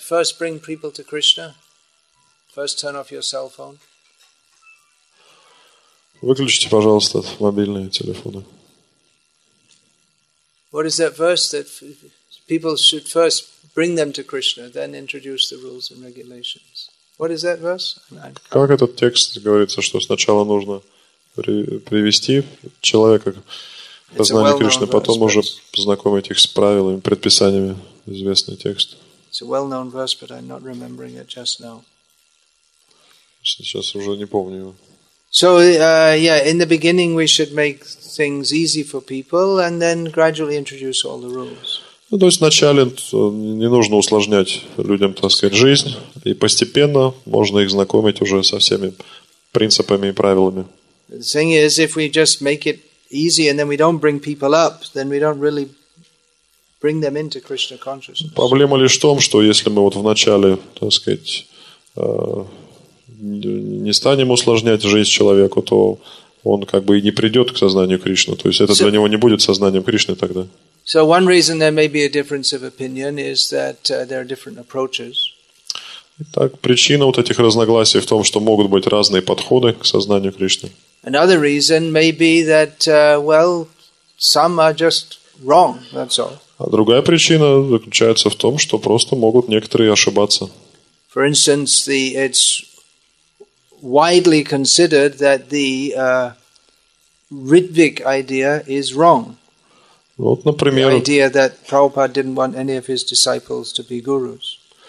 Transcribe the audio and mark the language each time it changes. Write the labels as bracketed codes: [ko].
[en] First bring people to Krishna. First turn off your cell phone. [ru] Выключите, пожалуйста, мобильные телефоны. [en] What is that verse that people should first bring them to Krishna, then introduce the rules and regulations? What is that verse? [ru] Как этот текст говорится, что сначала нужно привести человека к познанию Кришны, потом уже познакомить их с правилами, предписаниями, известный текст. [en] It's a well-known verse, but I'm not remembering it just now. [ru] Сейчас уже не помню его. [en] So, in the beginning we should make things easy for people and then gradually introduce all the rules. [ru] Ну, то есть вначале не нужно усложнять людям, так сказать, жизнь, и постепенно можно их знакомить уже со всеми принципами и правилами. [en] The thing is, if we just make it easy and then we don't bring people up, then we don't really bring them into Krishna consciousness. [ru] Проблема лишь в том, что если мы вот вначале, так сказать, не станем усложнять жизнь человеку, то он как бы и не придет к сознанию Кришны. То есть это для него не будет сознанием Кришны тогда. [en] So one reason there may be a difference of opinion is that there are different approaches. [ru] Так причина вот этих разногласий в том, что могут быть разные подходы к сознанию Кришны. [en] Another reason may be that some are just wrong, that's all. [ru] А другая причина заключается в том, что просто могут некоторые ошибаться. [en] For instance, it's widely considered that the Ritvik idea is wrong. [ru] Вот, например, [en] the idea that Prabhupada didn't want any of his disciples to be gurus.